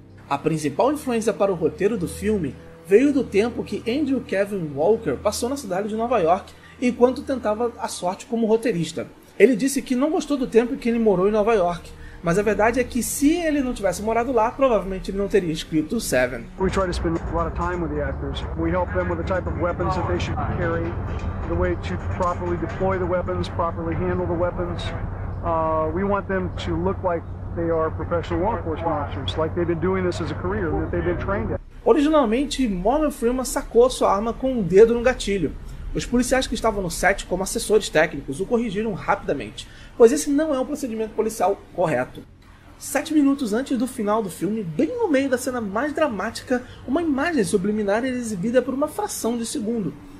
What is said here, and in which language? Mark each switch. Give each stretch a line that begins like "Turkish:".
Portuguese: A principal influência para o roteiro do filme veio do tempo que Andrew Kevin Walker passou na cidade de Nova York enquanto tentava a sorte como roteirista. Ele disse que não gostou do tempo que ele morou em Nova York, mas a verdade é que se ele não tivesse morado lá, provavelmente ele não teria escrito Seven.
English: We try to spend a lot of time with the actors. We help them with the type of weapons that they should carry, the way to properly deploy the weapons, properly handle the weapons. We want them to look like they are professional law enforcement officers, like they've been doing this as a career, that they've been trained at.
Portuguese: Originalmente, Morgan Freeman sacou sua arma com um dedo no gatilho. Os policiais que estavam no set, como assessores técnicos, o corrigiram rapidamente, pois esse não é um procedimento policial correto. 7 minutos antes do final do filme, bem no meio da cena mais dramática, uma imagem subliminar é exibida por uma fração de segundo.